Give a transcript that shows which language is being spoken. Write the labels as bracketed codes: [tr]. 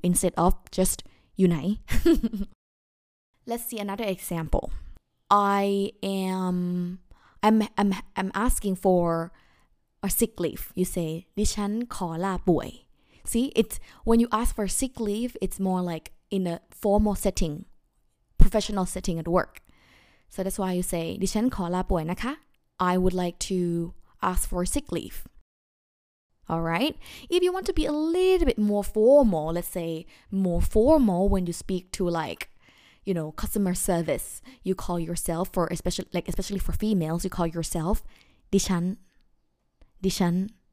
[en] Instead of just you ไหน? Let's see another example. I'm asking for a sick leave. You say, [th] ดิฉันขอลาป่วย. [en] See, it's when you ask for sick leave, it's more like in a formal setting, professional setting at work. So that's why you say, [th] ดิฉันขอลาป่วยนะคะ. [en] I would like to ask for sick leave. All right. If you want to be a little bit more formal, let's say more formal when you speak to like, you know, customer service, you call yourself for especially for females, you call yourself Dishan. Dishan.